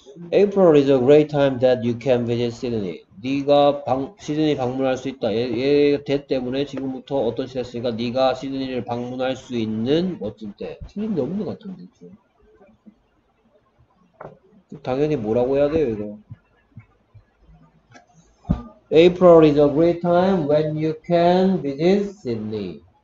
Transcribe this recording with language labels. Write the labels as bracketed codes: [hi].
[en] April is a great time that you can visit Sydney. [ko] 네가 시드니 방문할 수 있다. 얘 that 때문에 지금부터 어떤 시대였으니까 네가 시드니를 방문할 수 있는 멋진 때. 틀린 게 없는 것 같은데 지금. 당연히 뭐라고 해야 돼요 이거. [en] April is a great time when you can visit Sydney.